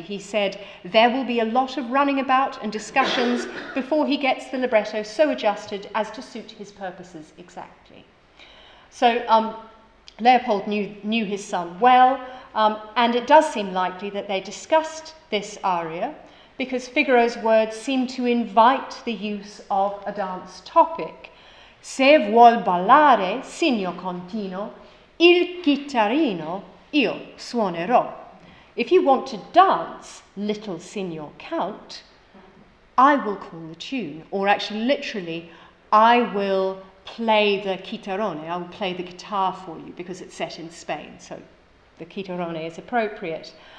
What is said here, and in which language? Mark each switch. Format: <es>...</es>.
<en>He said, "There will be a lot of running about and discussions before he gets the libretto so adjusted as to suit his purposes exactly." So Leopold knew his son well, and it does seem likely that they discussed this aria, because Figaro's words seem to invite the use of a dance topic.</en> <it>Se vuol ballare, signor Contino, il chitarrino io suonerò.</it> <en>If you want to dance, little signor Count, I will call the tune, or actually literally, I will play the chitarrone, I will play the guitar for you, because it's set in Spain, so the chitarrone is appropriate.</en>